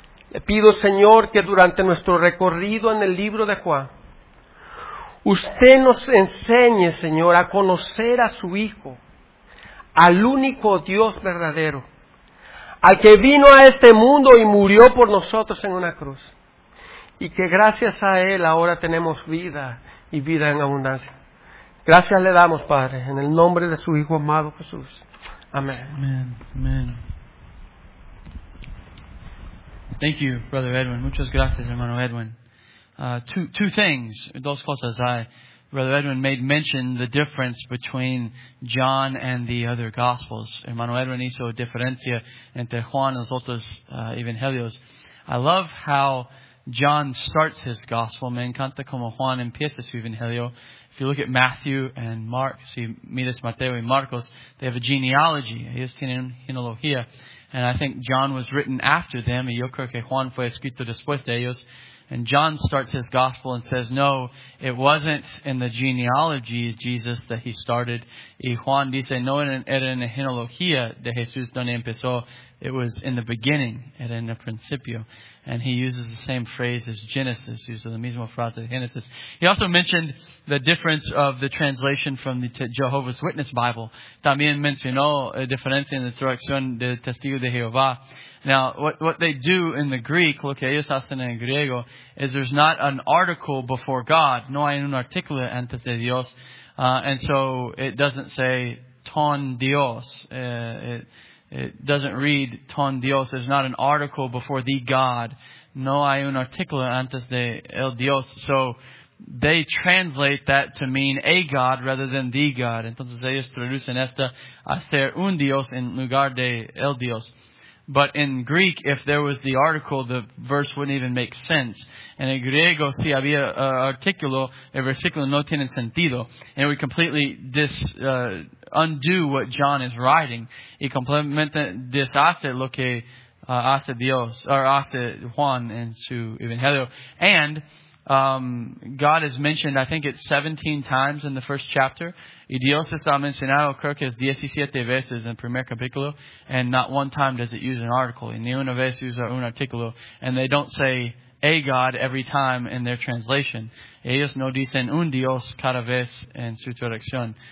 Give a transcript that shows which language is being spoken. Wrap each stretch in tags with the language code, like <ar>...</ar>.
<es>Le pido, Señor, que durante nuestro recorrido en el libro de Juan, usted nos enseñe, Señor, a conocer a su Hijo, al único Dios verdadero, al que vino a este mundo y murió por nosotros en una cruz, y que gracias a Él ahora tenemos vida y vida en abundancia. Gracias le damos, Padre, en el nombre de su Hijo amado Jesús. Amen. Amen.</es> <en>Thank you, Brother Edwin.</en> <es>Muchas gracias, hermano Edwin.</es> <en>Two things,</en> <es>dos cosas.</es> <en>Brother Edwin made mention the difference between John and the other Gospels.</en> <es>Hermano Edwin hizo diferencia entre Juan y los otros evangelios.</es> <en>I love how John starts his Gospel.</en> <es>Me encanta como Juan empieza su evangelio.</es> <en>If you look at Matthew and Mark,</en> <es>si miras Mateo y Marcos,</es> <en>they have a genealogy.</en> <es>Ellos tienen genealogía.</es> <en>And I think John was written after them.</en> <es>Y yo creo que Juan fue escrito después de ellos.</es> <en>And John starts his gospel and says, no, it wasn't in the genealogy of Jesus that he started.</en> <es>Y Juan dice, no, era en la genealogía de Jesús donde empezó.</es> <en>It was in the beginning,</en> <es>era en el principio.</es> <en>And he uses the same phrase as Genesis. He uses the</en> <es>mismo frase de Genesis.</es> <en>He also mentioned the difference of the translation from the Jehovah's Witness Bible.</en> <es>También mencionó la diferencia en la traducción de Testigo de Jehová.</es> <en>Now, what they do in the Greek,</en> <es>lo que ellos hacen en griego,</es> <en>is there's not an article before God.</en> <es>No hay un artículo antes de Dios.</es> <en>And so it doesn't say, ton Dios. It doesn't read ton Dios. There's not an article before the God.</en> <es>No hay un artículo antes de el Dios.</es> <en>So they translate that to mean a God rather than the God.</en> <es>Entonces ellos traducen esta a ser un Dios en lugar de el Dios.</es> <en>But in Greek, if there was the article, the verse wouldn't even make sense.</en> <es>And in griego, si había artículo, el versículo no tiene sentido.</es> <en>And we completely undo what John is writing.</en> <es>Y completamente deshace lo que hace Dios, or hace Juan en su evangelio.</es> <en>And God is mentioned, I think it's 17 times in the first chapter.</en> <es>Y Dios está mencionado, creo que es 17 veces en primer capítulo.</es> <en>And not one time does it use an article.</en> <es>Y ni una vez usa un artículo.</es> <en>And they don't say a God every time in their translation.</en> <es>Ellos no dicen un Dios cada vez en su traducción.</es>